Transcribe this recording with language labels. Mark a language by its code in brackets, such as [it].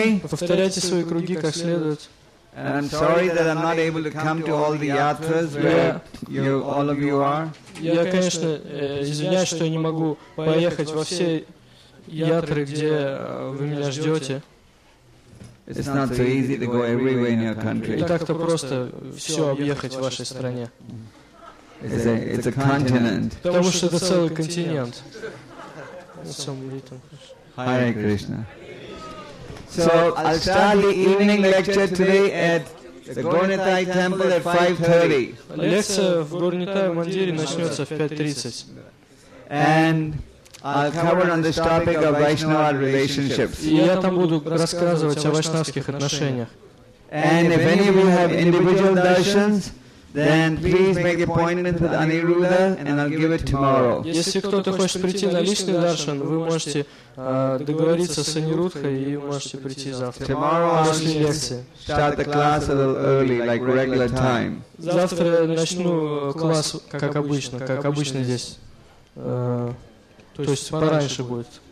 [ru] Повторяйте свои круги как следует. [en] And I'm sorry that I'm not able to come to all the yatras where you, all of you are. [ru] Я, конечно, извиняюсь, что я не могу поехать во все ятры, где вы меня ждете. [en] It's not so easy to go everywhere in your country. [ru] И так-то просто все объехать в вашей стране. [en] It's a continent. [ru] Потому что это целый континент. [en] Hare Krishna. So I'll start the evening lecture today at the Gornithai temple at 5:30. [ru] Лекция в Горнитай мандире начнется в 5:30. [en] And I'll cover on this topic of Vaishnava relationships. [ru] И я там буду рассказывать о вайшнавских отношениях. [en] And if any of you have individual darshans, then please make the appointment with Aniruddha and I'll give it tomorrow. [ru] Если кто-то хочет прийти на личный даршан, вы можете договориться с Анируддхой и можете прийти завтра. [en] Tomorrow [ru] после лекции. [en] Start the class a little early, like regular time. [ru] Завтра начну класс как обычно здесь. То есть пораньше будет.